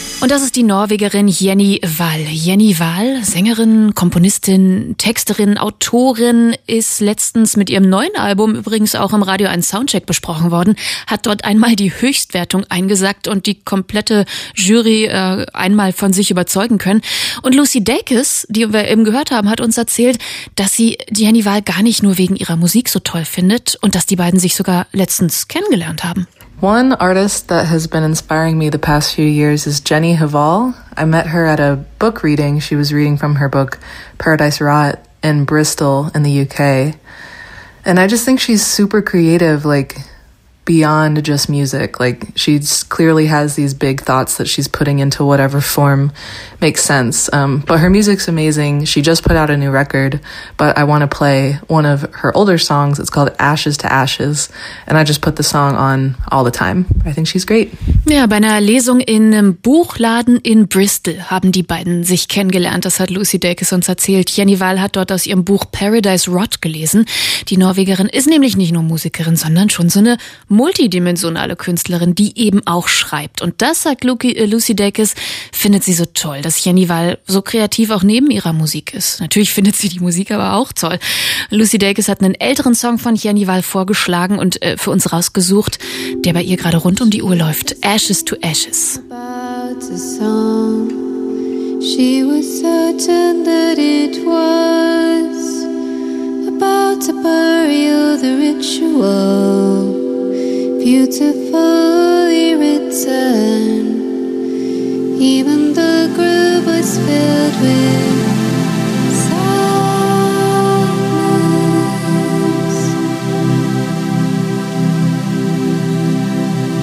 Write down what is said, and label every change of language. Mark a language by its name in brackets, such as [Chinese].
[German] Und das ist die Norwegerin Jenny Wahl. Jenny Wahl, Sängerin, Komponistin, Texterin, Autorin, ist letztens mit ihrem neuen Album übrigens auch im Radio 1 Soundcheck besprochen worden, hat dort einmal die Höchstwertung eingesackt und die komplette Jury einmal von sich überzeugen können. Und Lucy Dacus, die wir eben gehört haben, hat uns erzählt, dass sie Jenny Wahl gar nicht nur wegen ihrer Musik so toll findet und dass die beiden sich sogar letztens kennengelernt haben. [English] One artist that has been inspiring me the past few years is Jenny Hvall. I met her at a book reading. She was reading from her book Paradise Rot in Bristol in the UK. And I just think she's super creative, like beyond just music. Like she clearly has these big thoughts that she's putting into whatever form makes sense. But her music's amazing. She just put out a new record, but I want to play one of her older songs. It's called Ashes to Ashes. And I just put the song on all the time. I think she's great. [German] Ja, bei einer Lesung in einem Buchladen in Bristol haben die beiden sich kennengelernt. Das hat Lucy Dacus uns erzählt. Jenny Wahl hat dort aus ihrem Buch Paradise Rot gelesen. Die Norwegerin ist nämlich nicht nur Musikerin, sondern schon so eine multidimensionale Künstlerin, die eben auch schreibt. Und das, sagt Lucy Dacus, findet sie so toll, dass Jenny Wahl so kreativ auch neben ihrer Musik ist. Natürlich findet sie die Musik aber auch toll. Lucy Dacus hat einen älteren Song von Jenny Wahl vorgeschlagen und für uns rausgesucht, der bei ihr gerade rund um die Uhr läuft. [English] Ashes to Ashes. About a song. She was certain that it was about to bury the ritual. Beautifully written, even the groove was filled with sadness.